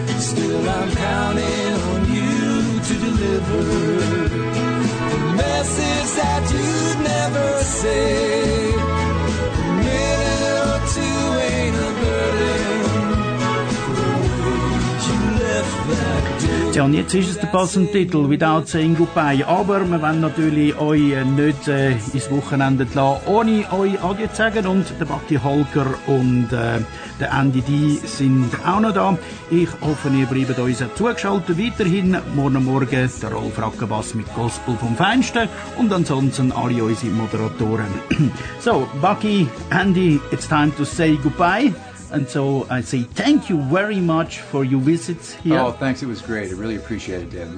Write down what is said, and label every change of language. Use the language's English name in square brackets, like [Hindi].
[English] Still I'm counting on you to deliver the message that you'd never say. A minute or two ain't a burden for the way you left that. [German] Ja, und jetzt ist es der passende Titel, Without Saying Goodbye. Aber wir wollen natürlich euch nicht ins Wochenende lassen, ohne euch Adieu zu sagen. Und der Matti Holger und der Andy D sind auch noch da. Ich hoffe, ihr bleibt uns zugeschaltet. Weiterhin morgen Morgen der Rolf Rackenbass mit Gospel vom Feinsten. Und ansonsten alle unsere Moderatoren. [English] So, Buggy, Andy, it's time to say goodbye. And so I say thank you very much for your visits here. Oh, thanks. It was great. I really appreciated it, Dan.